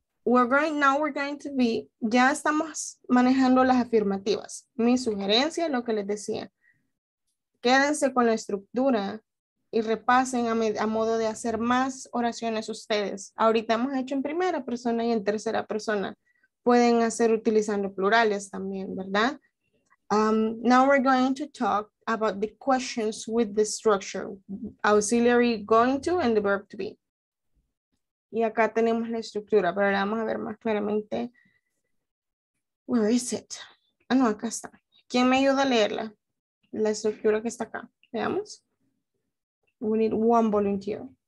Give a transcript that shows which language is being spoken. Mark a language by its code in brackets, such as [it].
[en] We're going to be. [es] Ya estamos manejando las afirmativas. Mi sugerencia es lo que les decía. Quédense con la estructura y repasen a modo de hacer más oraciones ustedes. Ahorita hemos hecho en primera persona y en tercera persona. Pueden hacer utilizando plurales también, ¿verdad? [en] Now we're going to talk about the questions with the structure. Auxiliary going to and the verb to be. [es] Y acá tenemos la estructura, pero la vamos a ver más claramente. [en] Where is it? [es] Ah, no, acá está. ¿Quién me ayuda a leerla? La estructura que está acá. Veamos. [en] We need one volunteer.